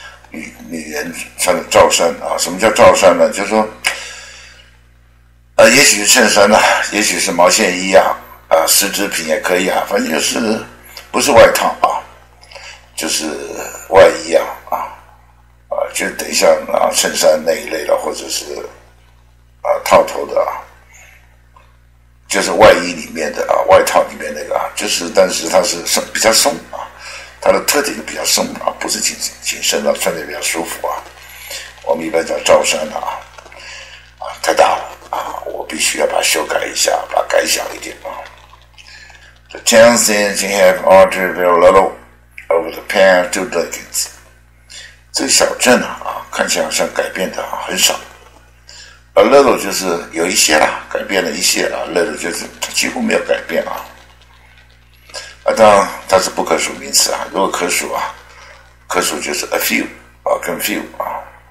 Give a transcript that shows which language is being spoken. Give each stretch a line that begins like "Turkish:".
Chinese: 女人穿的罩衫啊，什么叫罩衫呢？就是说，也许是衬衫啊，也许是毛线衣啊，丝织品也可以啊，反正就是不是外套啊，就是外衣啊，就等一下啊，衬衫那一类的，或者是套头的啊，就是外衣里面的啊，外套里面那个啊，就是但是它是松比较松啊。它的特点就比较松啊，不是紧身的，穿着比较舒服啊。我们一般叫罩衫的 啊，太大了啊，我必须要把它修改一下，把它改小一点啊。
English: The towns in Jin have altered very little over the past two decades。
Chinese: 这个小镇啊，看起来好像改变的很少。
English: A little
Chinese: 就是有一些啦，改变了一些啊 ，little 就是几乎没有改变啊。啊，当然它是不可数名词啊。如果可数啊，可数就是
English: a few
Chinese: 啊，跟 few 啊。